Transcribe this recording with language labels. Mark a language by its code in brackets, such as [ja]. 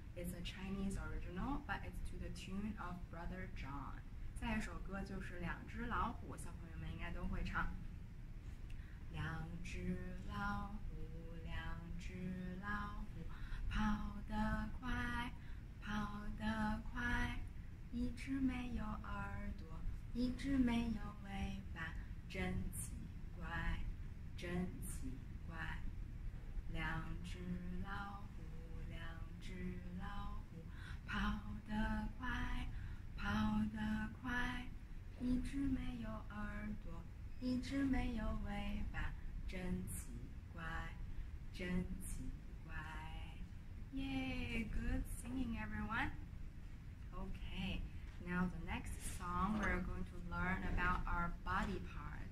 [en] It's a Chinese original, but it's to the tune of Brother John. [zh] 下一首歌就是两只老虎，小朋友们应该都会唱。两只老虎，两只老虎，跑得快，跑得快。一只没有耳朵，一只没有尾巴，真奇怪。真奇怪，两只老虎，两只老虎，跑得快，跑得快，一只没有耳朵，一只没有尾巴，真奇怪，真奇怪。 [en] Yay, good singing, everyone. Okay, now the next song we're going to learn about our body part.